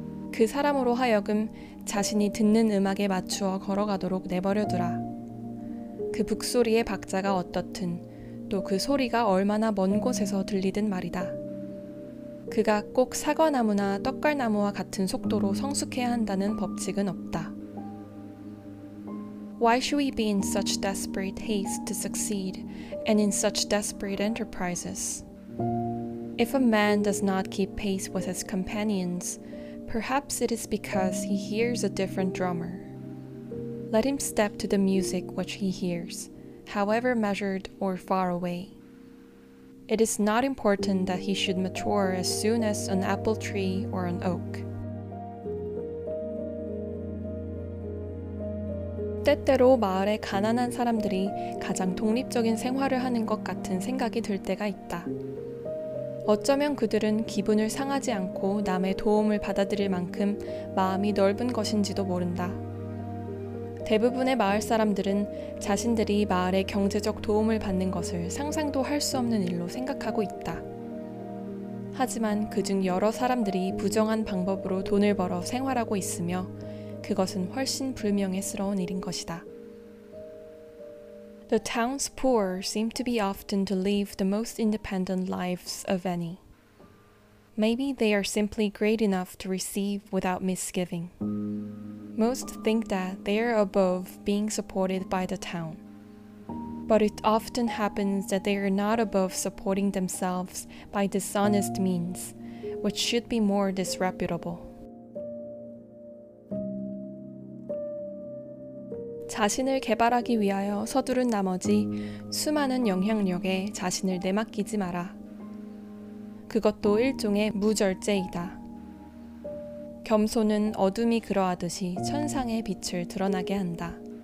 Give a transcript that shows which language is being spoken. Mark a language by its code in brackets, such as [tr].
[ko] 그 사람으로 하여금 자신이 듣는 음악에 맞추어 걸어가도록 내버려두라. 그 북소리의 박자가 어떻든 또 그 소리가 얼마나 먼 곳에서 들리든 말이다. 그가 꼭 사과나무나 떡갈나무와 같은 속도로 성숙해야 한다는 법칙은 없다. [en] Why should we be in such desperate haste to succeed and in such desperate enterprises? If a man does not keep pace with his companions, perhaps it is because he hears a different drummer. Let him step to the music which he hears, however measured or far away. It is not important that he should mature as soon as an apple tree or an oak. [ko] 때때로 마을의 가난한 사람들이 가장 독립적인 생활을 하는 것 같은 생각이 들 때가 있다. 어쩌면 그들은 기분을 상하지 않고 남의 도움을 받아들일 만큼 마음이 넓은 것인지도 모른다. 대부분의 마을 사람들은 자신들이 마을의 경제적 도움을 받는 것을 상상도 할 수 없는 일로 생각하고 있다. 하지만 그중 여러 사람들이 부정한 방법으로 돈을 벌어 생활하고 있으며 그것은 훨씬 불명예스러운 일인 것이다. [en] The town's poor seem to be often to live the most independent lives of any. Maybe they are simply great enough to receive without misgiving. Most think that they are above being supported by the town. But it often happens that they are not above supporting themselves by dishonest means, which should be more disreputable. [ko] 자신을 개발하기 위하여 서두른 나머지 수많은 영향력에 자신을 내맡기지 마라. 그것도 일종의 무절제이다. 겸손은 어둠이 그러하듯이 천상의 빛을 드러나게 한다.